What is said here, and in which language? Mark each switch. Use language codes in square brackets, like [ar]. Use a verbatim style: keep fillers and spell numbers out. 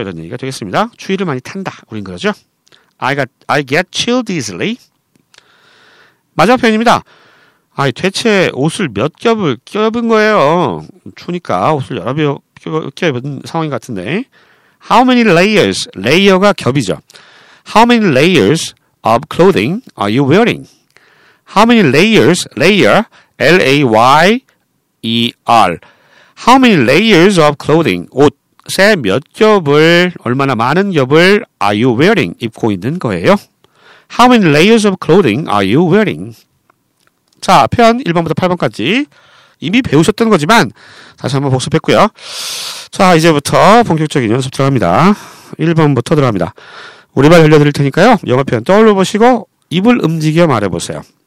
[ko] 이런 얘기가 되겠습니다. 추위를 많이 탄다. 우린 그러죠. [en] I got, I get chilled easily. [ko] 마지막 표현입니다. 아이, 대체 옷을 몇 겹을 껴입은 거예요. 추우니까 옷을 여러 겹 껴입은 상황인 것 같은데. [en] How many layers? [ko] 레이어가 겹이죠. [en] How many layers of clothing are you wearing? How many layers? Layer, L-A-Y-E-R. How many layers of clothing? [ko] 옷에 몇 겹을, 얼마나 많은 겹을 [en] are you wearing? [ko] 입고 있는 거예요. [en] How many layers of clothing are you wearing? [ko] 자, 표현 일 번부터 팔 번까지 이미 배우셨던 거지만 다시 한번 복습했고요. 자, 이제부터 본격적인 연습 들어갑니다. 일 번부터 들어갑니다. 우리말 들려드릴 테니까요. 영어 표현 떠올려 보시고 입을 움직여 말해보세요.